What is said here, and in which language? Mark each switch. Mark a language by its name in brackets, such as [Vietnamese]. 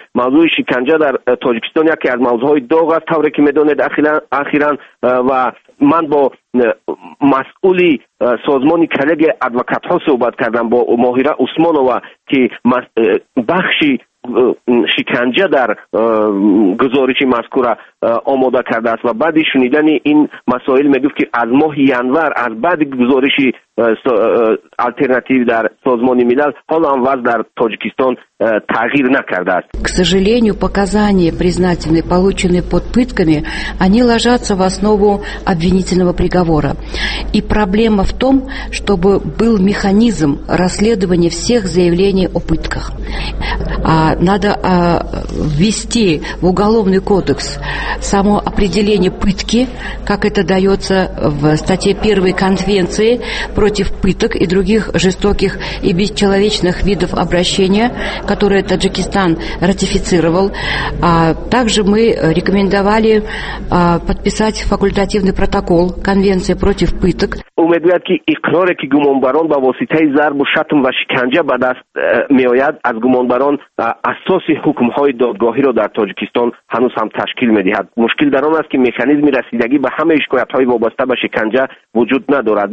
[Persian] موضوع شکنجه در تاجیکستان یکی از موضوعهای داغ است، طوری که میدونید اخیراً و من با مسئولی سازمان کلگی ادوکات ها صحبت کردم، با ماهیره عثمانوا، که بخشی شکنجه در گزارش مذکور آماده کرده است و بعد شنیدن این مسائل می گفت که از ماه ینور، از بعد گزارش الترناتیو در سازمان ملل، حالا هم وضع در تاجیکستان تغییر نکرده است. [Russian] К сожалению, показания, признательные, полученные под пытками, они ложатся в основу обвинительного приговора. И проблема в том, чтобы был механизм расследования всех заявлений о пытках. Надо ввести в уголовный кодекс само определение пытки, как это дается в статье 1 Конвенции против пыток и других жестоких и бесчеловечных видов обращения, которые Таджикистан ратифицировал. Также мы рекомендовали подписать факультативный протокол Конвенции против пыток. [Tajik] Умедлят ки икроре ки гумонбарон ба воситаи зарбу шатм ва шиканжа ба даст меояд аз гумонбарон асоси хукмҳои додгоҳиро дар Таҷикистон ҳанӯз ҳам ташкил медиҳад. Мушкил дар он аст ки механизми расидагӣ ба ҳамаи шикоятҳои вобаста ба шиканжа вуҷуд надорад.